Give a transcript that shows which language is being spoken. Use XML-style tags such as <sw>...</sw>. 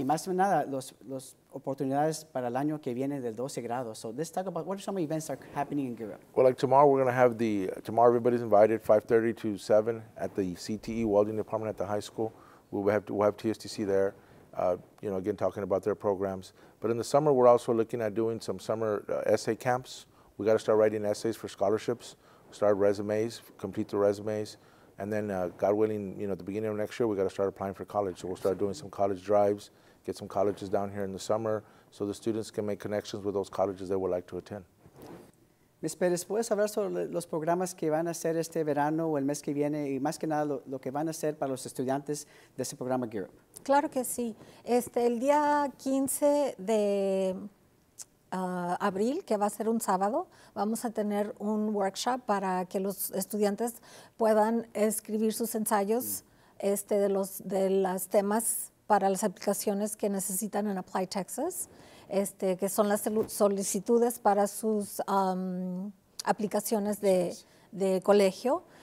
<es>Y más que nada, los oportunidades para el año que viene del 12 grado.</es> <en>So let's talk about what are some events that are happening in GearUp. Well, like tomorrow, we're going to have tomorrow everybody's invited, 5:30 to 7 at the CTE welding department at the high school. We'll have TSTC there. You know, again, talking about their programs. But in the summer, we're also looking at doing some summer essay camps. We got to start writing essays for scholarships, start resumes, complete the resumes. And then, God willing, you know, at the beginning of next year, we got to start applying for college. So we'll start doing some college drives, get some colleges down here in the summer so the students can make connections with those colleges they would like to attend. Ms.</en> <es>Perez, ¿puedes hablar sobre los programas que van a hacer este verano o el mes que viene y más que nada lo que van a hacer para los estudiantes de ese programa GearUp? Claro que sí. El día 15 de abril, que va a ser un sábado, vamos a tener un workshop para que los estudiantes puedan escribir sus ensayos de los temas para las aplicaciones que necesitan en Apply Texas, que son las solicitudes para sus aplicaciones de colegio.</es>